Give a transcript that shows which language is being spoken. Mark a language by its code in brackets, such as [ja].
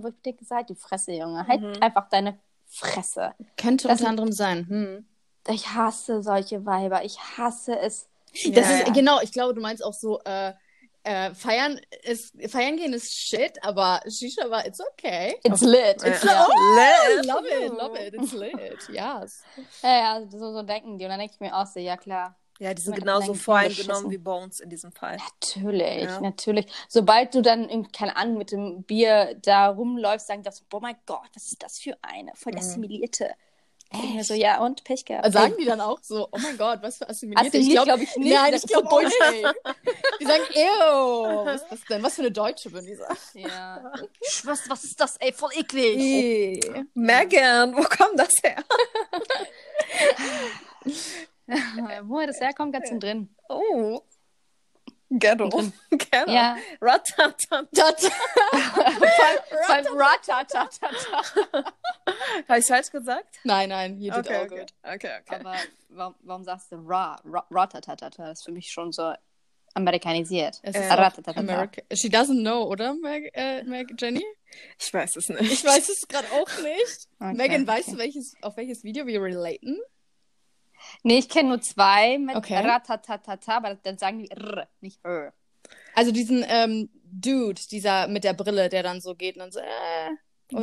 [de] Wo ich dir gesagt, die Fresse, Junge. Halt einfach deine Fresse. Könnte das unter anderem sein. Ich hasse solche Weiber, ich hasse es. Das ist, genau, ich glaube, du meinst auch so, feiern gehen ist shit, aber Shisha war, [en] it's okay. It's lit. It's so, love it, it's lit, yes. [de] Ja, also so denken die und dann denke ich mir auch so, ja klar. Ja, die sind genauso voreingenommen wie Bones in diesem Fall. Natürlich, ja. Natürlich. Sobald du dann, keine Ahnung, mit dem Bier da rumläufst, sagen die auch so, oh mein Gott, was ist das für eine voll assimilierte. So, ja, und Pech gehabt. Sagen die dann auch so, oh mein Gott, was für assimilierte? Ich glaube nicht. Nein, ich glaube Bullshit. Oh, nee. Die sagen, ew, was ist das denn? Was für eine Deutsche, würden die sagen. Ja. Was ist das, ey, voll eklig. Hey. Oh. Megan, wo kommt das her? Wo das herkommt, ganz drin. Oh. Ghetto. Ghetto. Ja. Ratatata. Beim Ratatata. Habe ich es falsch gesagt? Nein, [en] you did okay, all good. Okay. [de] Aber warum sagst du Ratatata? Das ist für mich schon so amerikanisiert. [en] She doesn't know, [de] oder, [en] Meg Jenny? [de] Ich weiß es nicht. Ich weiß es gerade auch nicht. Okay, Megan, weißt du, auf welches Video wir relaten? Nee, ich kenne nur zwei mit Ratatatata, aber dann sagen die R, nicht R. Also diesen Dude, dieser mit der Brille, der dann so geht und dann so, oder?